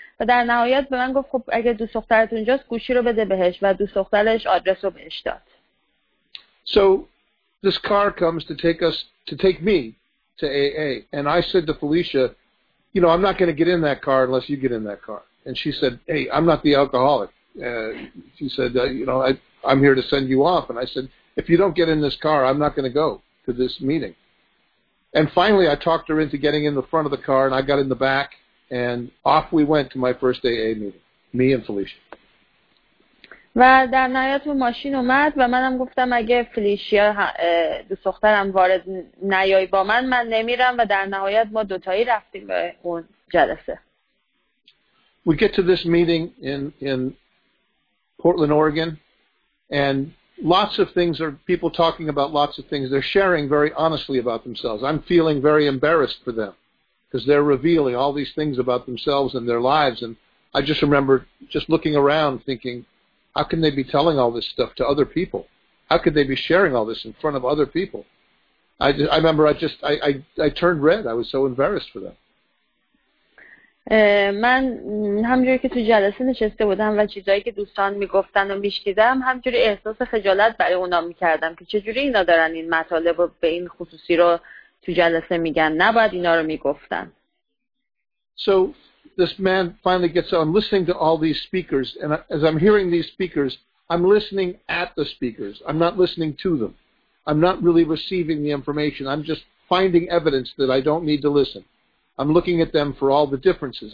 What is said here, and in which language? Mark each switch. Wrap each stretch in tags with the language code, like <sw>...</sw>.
<fa>و در نهایت به من گفت خب اگه دوست دخترت اونجاست گوشی رو بده بهش و دوست دخترش آدرس رو بهش داد.</fa> <en>So this car comes to take me to AA, and I said to Felicia, you know, I'm not going to get in that car unless you get in that car. And she said, hey, I'm not the alcoholic. She said, you know, I'm here to send you off. And I said, if you don't get in this car, I'm not going to go to this meeting. And finally, I talked her into getting in the front of the car, and I got in the back, and off we went to my first AA meeting, me and Felicia.</en> <fa>و در نهایت ماشین اومد و منم گفتم اگه فلیشیا دوست دخترم وارد نیای با من نمیرم. و در نهایت ما دوتایی رفتیم به اون جلسه.</fa> <en>We get to this meeting in Portland, Oregon, and people talking about lots of things. They're sharing very honestly about themselves. I'm feeling very embarrassed for them because they're revealing all these things about themselves and their lives. And I just remember just looking around thinking, How can they be telling all this stuff to other people? How could they be sharing all this in front of other people? I remember I turned red. I was so embarrassed for them.</en> <fa>من همجوری که تو جلسه نشسته بودم و چیزایی که دوستان میگفتن و میشنیدم همجوری احساس خجالت برای اونا میکردم که چجوری اینا دارن این مطالب و به این خصوصی رو تو جلسه میگن، نباید اینا رو میگفتن.</fa> <en>So this man finally gets on listening to all these speakers, and as I'm hearing these speakers, I'm listening at the speakers. I'm not listening to them. I'm not really receiving the information. I'm just finding evidence that I don't need to listen. I'm looking at them for all the differences.</en>